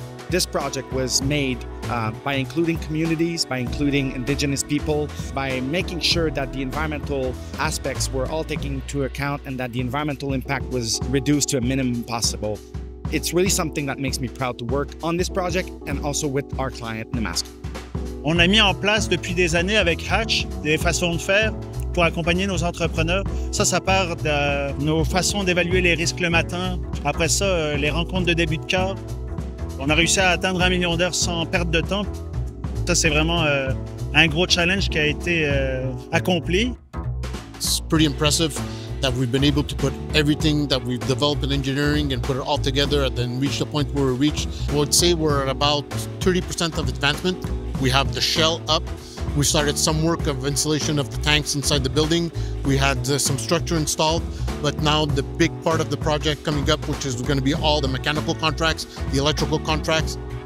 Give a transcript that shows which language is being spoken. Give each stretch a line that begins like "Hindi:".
English: This project was made by including communities, by including indigenous people, by making sure that the environmental aspects were all taken into account and that the environmental impact was reduced to a minimum possible. It's really something that makes me proud to work on this project and also with our client, Nemaska.
French: On a mis en place depuis des années avec Hatch des façons de faire pour accompagner nos entrepreneurs. Ça part de nos façons d'évaluer les risques le matin. Après ça, les rencontres de début de cas. On a réussi à atteindre 1 million d'heures sans perte de temps. Ça, c'est vraiment un gros challenge qui a été accompli.
English: It's pretty impressive that we've been able to put everything that we've developed in engineering and put it all together and then reach the point where we reached. I would say we're at about 30% of advancement. We have the shell up. We started some work of insulation of the tanks inside the building. We had some structure installed, but now the big part of the project coming up, which is going to be all the mechanical contracts, the electrical contracts.